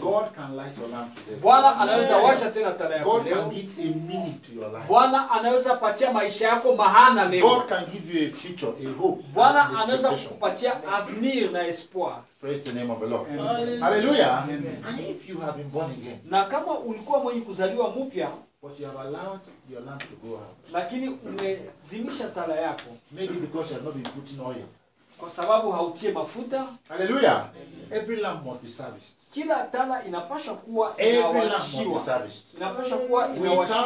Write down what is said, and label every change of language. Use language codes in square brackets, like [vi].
[en] God can light your lamp today. [sw] Bwana anaweza washa tena tala yako. [en] God can give a meaning to your life. [sw] Bwana anaweza patia maisha yako maana leo. [en] God can give you a future, a hope. [sw] Bwana anaweza kupatia avenir na espoir. [en] Praise the name of the Lord. Amen. Hallelujah. Amen. And if you have been born again. [sw] Na kama ulikuwa mwenye kuzaliwa mupya. [en] But you have allowed your lamp to go out. [sw] Lakini umezimisha tala yako. [en] Maybe because you have not been putting oil. [sw] Kwa sababu hautie mafuta. [en] Hallelujah. Amen. Every lamp must be serviced. [sw] Kila tala inapasha kuwa inawashiwa. [en] Every lamp must be serviced. [sw] Inapasha kuwa inawashiwa.